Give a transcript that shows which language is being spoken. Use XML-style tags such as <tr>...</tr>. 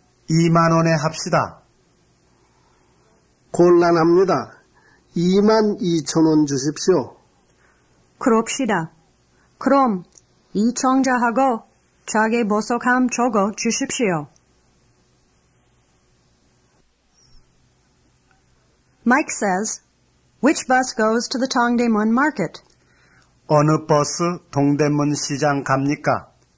<ko>20,000원에 합시다. 곤란합니다. 22,000원 주십시오. 그럽시다. 그럼 이 청자하고 자기 보석함 주고 주십시오.</ko> <en>Mike says, which bus goes to the Tongdaemun Market?</en> <ko>어느 버스 동대문 시장 갑니까?</ko>